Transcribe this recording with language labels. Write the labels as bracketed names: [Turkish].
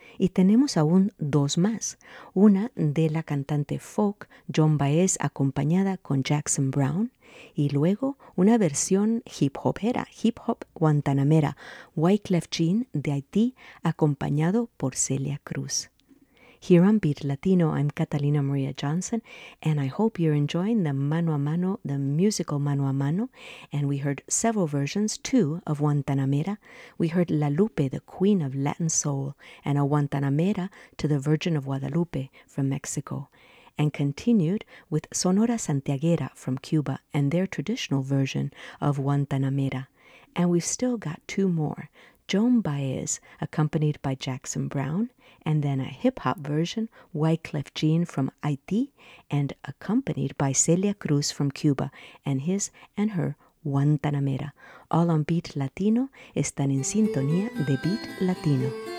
[Spanish] Y tenemos aún dos más, una de la cantante folk Joan Baez acompañada con Jackson Browne, y luego una versión hip-hopera, hip-hop guantanamera, Wyclef Jean de Haití acompañado por Celia Cruz. [English] Here on Beat Latino, I'm Catalina Maria Johnson, and I hope you're enjoying the mano a mano, the musical mano a mano, and we heard several versions, too, of Guantanamera. We heard La Lupe, the Queen of Latin Soul, and a Guantanamera to the Virgin of Guadalupe from Mexico, and continued with Sonora Santiaguera from Cuba and their traditional version of Guantanamera. And we've still got two more, Joan Baez, accompanied by Jackson Browne, and then a hip-hop version, Wyclef Jean from Haiti, and accompanied by Celia Cruz from Cuba, and his and her Guantanamera. All on Beat Latino, [Spanish] están en sintonía de Beat Latino.